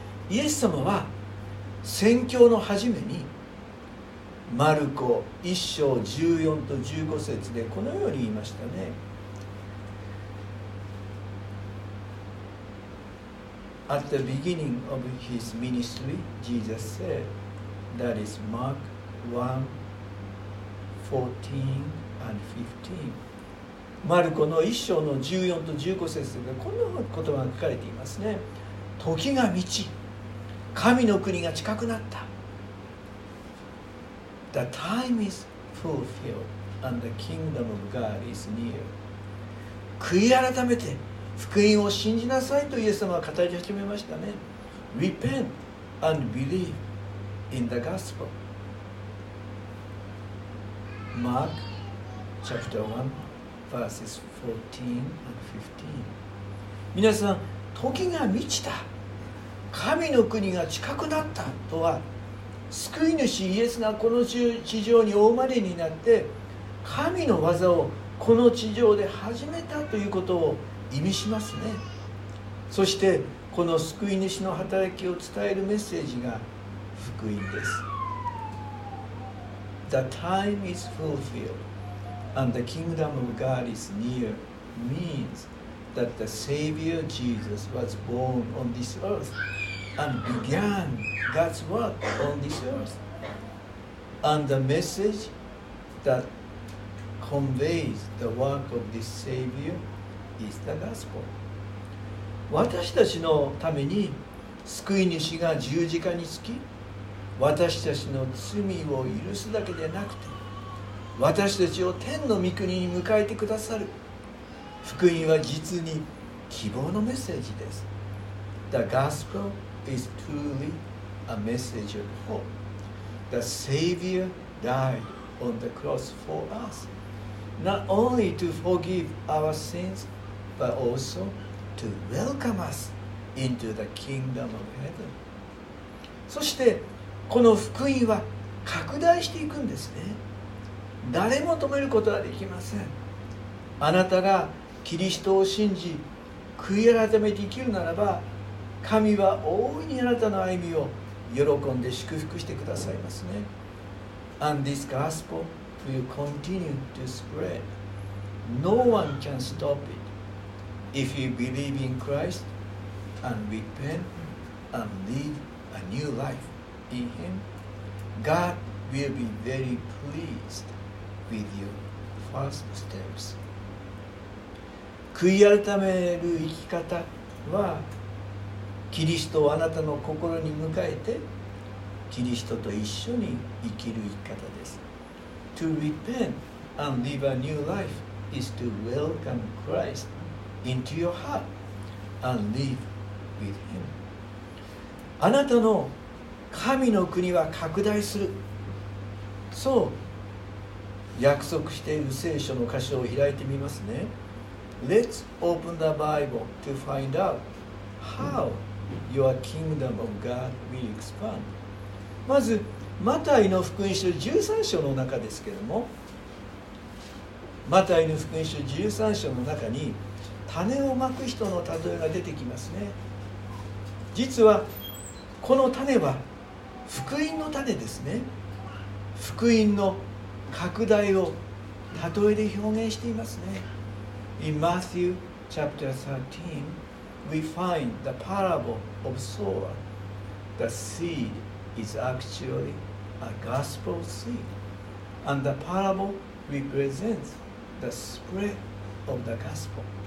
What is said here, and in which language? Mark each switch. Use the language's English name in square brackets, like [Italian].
[Japanese] イエス様は宣教の初めにマルコ1章14と15節でこのように言いましたね。 [English] At the beginning of his ministry, Jesus said, that is Mark 1, 14 and 15. [Japanese] マルコの1章の14と15節でこんな言葉が書かれていますね。時が満ち、神の国が近くなった。 [English] The time is fulfilled and the kingdom of God is near. [Japanese] 悔い改めて福音を信じなさいとイエス様は語り始めましたね。 [English] Repent and believe in the gospel. Mark chapter 1 verses 14 and 15. [Japanese] 皆さん、時が満ちた、神の国が近くなったとは、救い主イエスがこの地上にお生まれになって神の業をこの地上で始めたということを意味しますね。そしてこの救い主の働きを伝えるメッセージが福音です。 [English] The time is fulfilled and the kingdom of God is near means that the Savior Jesus was born on this earth and began God's work on this earth. And the message that conveys the work of this Savior is the gospel. [Japanese] 私たちのために救い主が十字架につき、私たちの罪を許すだけでなくて、私たちを天の御国に迎えてくださる福音は実に希望のメッセージです。 [English] The gospel is truly a message of hope. The Savior died on the cross for us, not only to forgive our sins, but also to welcome us into the kingdom of heaven. [Japanese] そしてこの福音は拡大していくんですね。誰も止めることはできません。あなたがキリストを信じ、悔い改めて生きるならば、神は大いにあなたの歩みを喜んで祝福してくださいますね。 [English] And this gospel will continue to spread. No one can stop it. If you believe in Christ and repent and live a new life in Him, God will be very pleased with your first steps. [Japanese] 悔い改める生き方はキリストをあなたの心に迎えてキリストと一緒に生きる生き方です。 [English] To repent and live a new life is to welcome Christ into your heart and live with Him. [Japanese] あなたの神の国は拡大する、そう約束している聖書の箇所を開いてみますね。 [English] Let's open the Bible to find out how your kingdom of God will expand. [Japanese] まずマタイの福音書13章の中ですけれども、マタイの福音書13章の中に種をまく人の例えが出てきますね。実はこの種は福音の種ですね。福音の拡大を例えで表現していますね。 [English] In Matthew chapter 13, we find the parable of sower. The seed is actually a gospel seed. And the parable represents the spread of the gospel.